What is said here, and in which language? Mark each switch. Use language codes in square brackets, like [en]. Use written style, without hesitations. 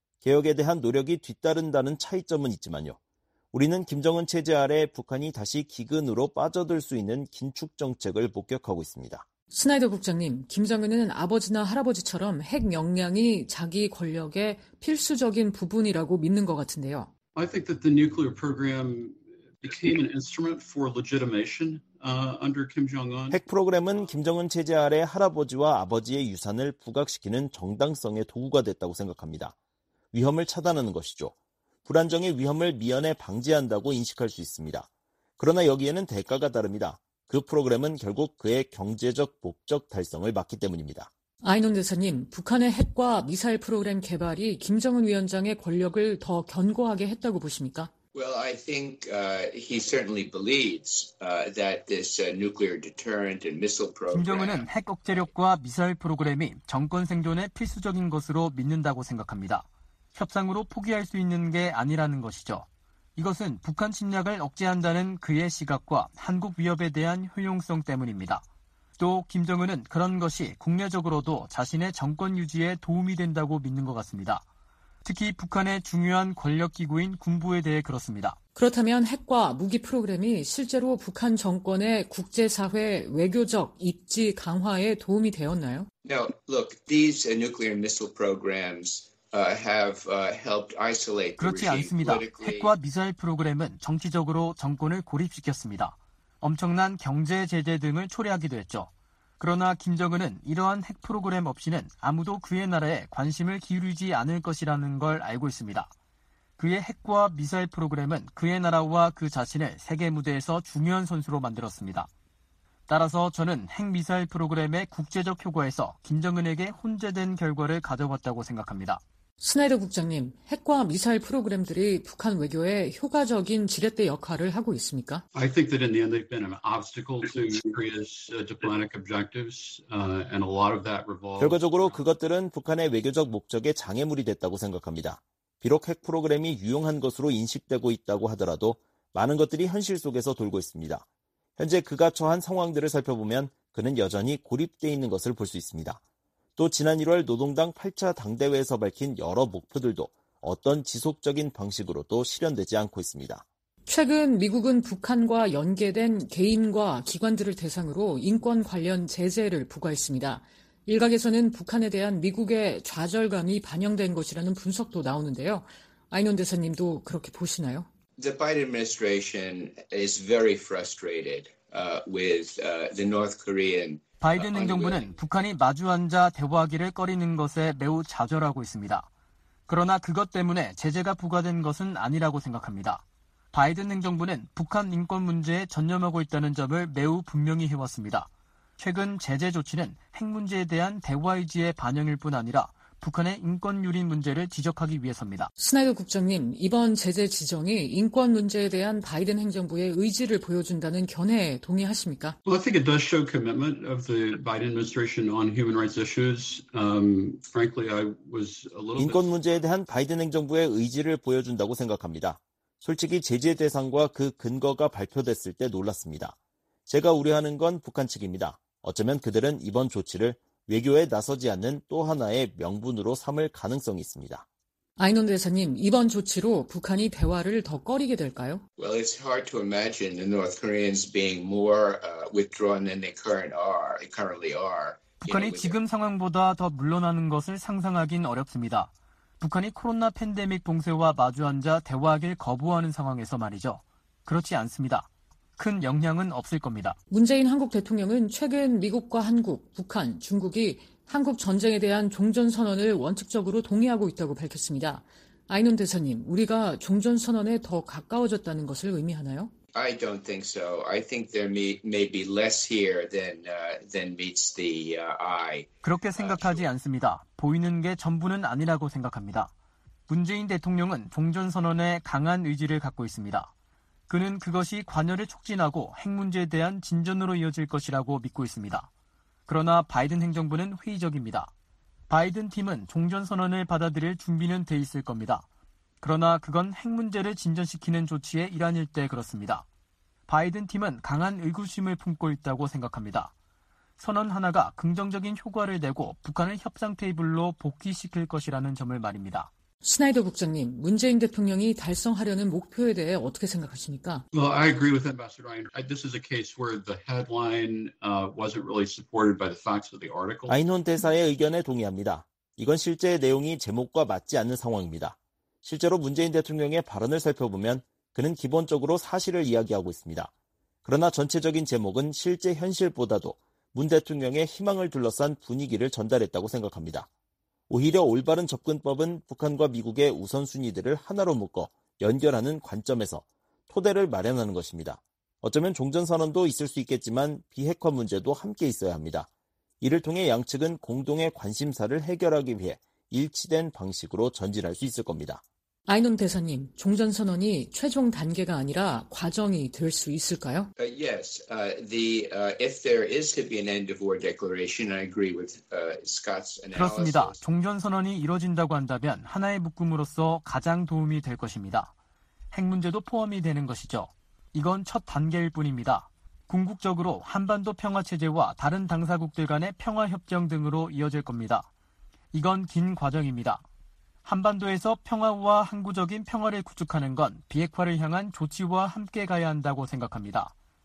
[ko] 개혁에 대한 노력이 뒤따른다는 차이점은 있지만요. 우리는 김정은 체제 아래 북한이 다시 기근으로 빠져들 수 있는 긴축 정책을 목격하고 있습니다. 스나이더 국장님, 김정은은 아버지나 할아버지처럼 핵 역량이 자기 권력의 필수적인 부분이라고 믿는 것 같은데요. [en] I think that the nuclear program became an instrument for legitimation under Kim Jong-un. [ko] 핵 프로그램은 김정은 체제 아래 할아버지와 아버지의 유산을 부각시키는 정당성의 도구가 됐다고 생각합니다. 위험을 차단하는 것이죠. 불안정의 위험을 미연에 방지한다고 인식할 수 있습니다. 그러나 여기에는 대가가 다릅니다. 그 프로그램은 결국 그의 경제적 목적 달성을 막기 때문입니다. 아이논 대사님, 북한의 핵과 미사일 프로그램 개발이 김정은 위원장의 권력을 더 견고하게 했다고 보십니까? [en] Well, I think he certainly believes that this nuclear deterrent and missile program. [ko] 김정은은 핵 억제력과 미사일 프로그램이 정권 생존에 필수적인 것으로 믿는다고 생각합니다. 협상으로 포기할 수 있는 게 아니라는 것이죠. 이것은 북한 침략을 억제한다는 그의 시각과 한국 위협에 대한 효용성 때문입니다. 또 김정은은 그런 것이 국내적으로도 자신의 정권 유지에 도움이 된다고 믿는 것 같습니다. 특히 북한의 중요한 권력기구인 군부에 대해 그렇습니다. 그렇다면 핵과 무기 프로그램이 실제로 북한 정권의 국제사회 외교적 입지 강화에 도움이 되었나요? [en] Now, look, these nuclear missile programs helped isolate the regime. [ko] 그렇지 않습니다. 핵과 미사일 프로그램은 정치적으로 정권을 고립시켰습니다. 엄청난 경제 제재 등을 초래하기도 했죠. 그러나 김정은은 이러한 핵 프로그램 없이는 아무도 그의 나라에 관심을 기울이지 않을 것이라는 걸 알고 있습니다. 그의 핵과 미사일 프로그램은 그의 나라와 그 자신을 세계 무대에서 중요한 선수로 만들었습니다. 따라서 저는 핵미사일 프로그램의 국제적 효과에서 김정은에게 혼재된 결과를 가져왔다고 생각합니다. 스나이더 국장님, 핵과 미사일 프로그램들이 북한 외교에 효과적인 지렛대 역할을 하고 있습니까? [en] I think that in the end they've been an obstacle to Korea's diplomatic objectives, and a lot of that revolves. [ko] 결과적으로 그것들은 북한의 외교적 목적에 장애물이 됐다고 생각합니다. 비록 핵 프로그램이 유용한 것으로 인식되고 있다고 하더라도 많은 것들이 현실 속에서 돌고 있습니다. 현재 그가 처한 상황들을 살펴보면 그는 여전히 고립돼 있는 것을 볼 수 있습니다. 또 지난 1월 노동당 8차 당대회에서 밝힌 여러 목표들도 어떤 지속적인 방식으로도 실현되지 않고 있습니다. 최근 미국은 북한과 연계된 개인과 기관들을 대상으로 인권 관련 제재를 부과했습니다. 일각에서는 북한에 대한 미국의 좌절감이 반영된 것이라는 분석도 나오는데요. 아이논 대사님도 그렇게 보시나요? [en] The Biden administration is very frustrated with the North Korean. [ko] 바이든 행정부는 북한이 마주 앉아 대화하기를 꺼리는 것에 매우 좌절하고 있습니다. 그러나 그것 때문에 제재가 부과된 것은 아니라고 생각합니다. 바이든 행정부는 북한 인권 문제에 전념하고 있다는 점을 매우 분명히 해왔습니다. 최근 제재 조치는 핵 문제에 대한 대화 의지의 반영일 뿐 아니라 북한의 인권 유린 문제를 지적하기 위해서입니다. 스나이더 국장님, 이번 제재 지정이 인권 문제에 대한 바이든 행정부의 의지를 보여준다는 견해에 동의하십니까? [en] Well, I think it does show commitment of the Biden administration on human rights issues. Frankly, I was a little [ko] 인권 문제에 대한 바이든 행정부의 의지를 보여준다고 생각합니다. 솔직히 제재 대상과 그 근거가 발표됐을 때 놀랐습니다. 제가 우려하는 건 북한 측입니다. 어쩌면 그들은 이번 조치를 외교에 나서지 않는 또 하나의 명분으로 삼을 가능성이 있습니다. 아이논 대사님, 이번 조치로 북한이 대화를 더 꺼리게 될까요? [en] Well, it's hard to imagine the North Koreans being more withdrawn than they currently are. [ko] 북한이 지금 상황보다 더 물러나는 것을 상상하긴 어렵습니다. 북한이 코로나 팬데믹 봉쇄와 마주앉아 대화하길 거부하는 상황에서 말이죠. 그렇지 않습니다. 큰 영향은 없을 겁니다. 문재인 한국 대통령은 최근 미국과 한국, 북한, 중국이 한국 전쟁에 대한 종전선언을 원칙적으로 동의하고 있다고 밝혔습니다. 아이논 대사님, 우리가 종전선언에 더 가까워졌다는 것을 의미하나요? [en] I don't think so. I think there may be less here than meets the eye. [ko] 그렇게 생각하지 않습니다. 보이는 게 전부는 아니라고 생각합니다. 문재인 대통령은 종전선언에 강한 의지를 갖고 있습니다. 그는 그것이 관여를 촉진하고 핵 문제에 대한 진전으로 이어질 것이라고 믿고 있습니다. 그러나 바이든 행정부는 회의적입니다. 바이든 팀은 종전선언을 받아들일 준비는 돼 있을 겁니다. 그러나 그건 핵 문제를 진전시키는 조치의 일환일 때 그렇습니다. 바이든 팀은 강한 의구심을 품고 있다고 생각합니다. 선언 하나가 긍정적인 효과를 내고 북한을 협상 테이블로 복귀시킬 것이라는 점을 말입니다. 스나이더 국장님, 문재인 대통령이 달성하려는 목표에 대해 어떻게 생각하십니까? [en] Well, I agree with Ambassador Aynor. This is a case where the headline wasn't really supported by the facts of the article. [ko] 아이논 대사의 의견에 동의합니다. 이건 실제 내용이 제목과 맞지 않는 상황입니다. 실제로 문재인 대통령의 발언을 살펴보면 그는 기본적으로 사실을 이야기하고 있습니다. 그러나 전체적인 제목은 실제 현실보다도 문 대통령의 희망을 둘러싼 분위기를 전달했다고 생각합니다. 오히려 올바른 접근법은 북한과 미국의 우선순위들을 하나로 묶어 연결하는 관점에서 토대를 마련하는 것입니다. 어쩌면 종전선언도 있을 수 있겠지만 비핵화 문제도 함께 있어야 합니다. 이를 통해 양측은 공동의 관심사를 해결하기 위해 일치된 방식으로 전진할 수 있을 겁니다. 아이논 대사님, 종전선언이 최종 단계가 아니라 과정이 될 수 있을까요? [en] Yes, if there is to be an end of war declaration, I agree with Scott's analysis. [ko] 그렇습니다. 종전선언이 이뤄진다고 한다면 하나의 묶음으로서 가장 도움이 될 것입니다. 핵 문제도 포함이 되는 것이죠. 이건 첫 단계일 뿐입니다. 궁극적으로 한반도 평화체제와 다른 당사국들 간의 평화협정 등으로 이어질 겁니다. 이건 긴 과정입니다. 한반도에서 평화와 항구적인 평화를 구축하는 건 비핵화를 향한 조치와 함께 가야 한다고 생각합니다.